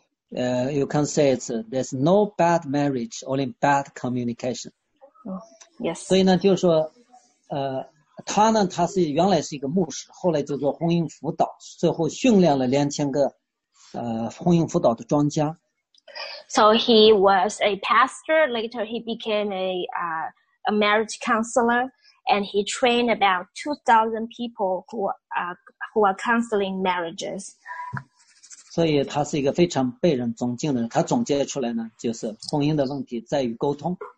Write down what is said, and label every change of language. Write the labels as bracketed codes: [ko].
[en] You can say it's there's no bad marriage, only bad communication. Yes. [zh] 所以呢，就是说，他呢，他是原来是一个牧师，后来就做婚姻辅导，最后训练了2000个婚姻辅导的专家。 [en] So he was a pastor. Later, he became a marriage counselor. And he trained about 2,000 people who are counseling marriages. [zh] 所以他是一个非常被人尊敬的人。他总结出来呢，就是婚姻的问题在于沟通。